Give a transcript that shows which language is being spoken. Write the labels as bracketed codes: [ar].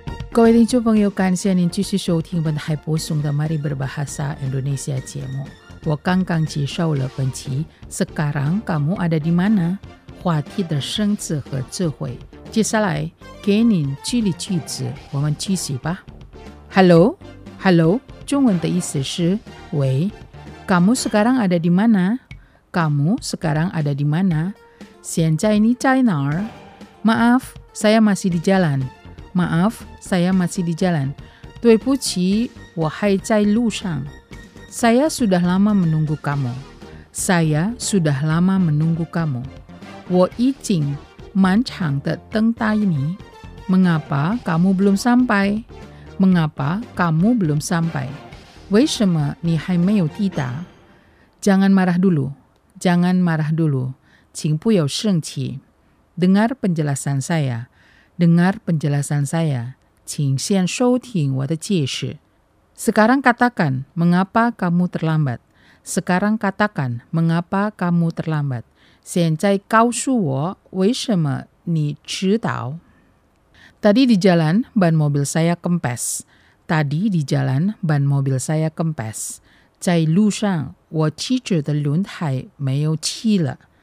[zh] 各位听众朋友，感谢您继续收听本台播送的 Mari Berbahasa Indonesia 节目。我刚刚介绍了本期 [id] Sekarang Kamu Ada Di Mana? [zh] 话题的生字和智慧，接下来给您举例句子，我们继续吧。 Hello， 中文的意思是喂。 [id] Kamu sekarang ada di mana? Kamu sekarang ada di mana? [zh] 现在你在哪儿？ [id] Maaf， saya masih di jalan. Maaf， saya masih di jalan. [zh] 对不起，我还在路上。 [id] Saya sudah lama menunggu kamu. Saya sudah lama menunggu kamu. [zh] 我已经漫长的等待你。 [id] Mengapa kamu belum sampai? Mengapa kamu belum sampai? [zh] 为什么你还没有抵达？ [id] Jangan marah dulu. [zh] 请不要生气。 [id] Dengar penjelasan saya. [zh] 请先收听我的解释。 [id] Sekarang katakan mengapa kamu terlambat. [zh] 现在告诉我为什么你迟到。 [id] Tadi di jalan, ban mobil saya kempes. Tadi di jalan, ban mobil saya kempes. [zh] 在路上，我汽车的轮胎没有气了。